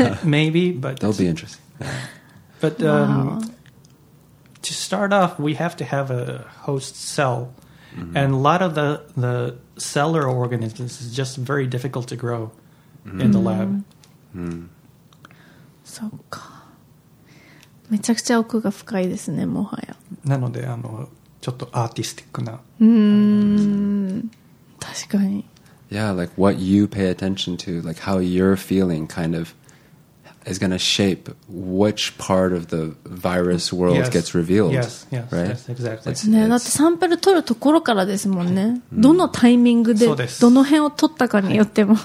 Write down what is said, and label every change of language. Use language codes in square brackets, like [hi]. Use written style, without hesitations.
[en] Maybe, but they'll be interested. But to start off, we have to have a host cell. And a lot of the cellular organisms is just very difficult to grow in the lab. [ja] そっか。めちゃくちゃ奥が深いですね、もはや。なので、あの、ちょっとアーティスティックな。確かに。 [en] Yeah, like what you pay attention to, like how you're feeling kind of,is going to shape which part of the virus world gets revealed. Yes, right? Yes, exactly. [ja] ね、だってサンプル取るところからですもんね。どのタイミングでどの辺を取ったかによっても。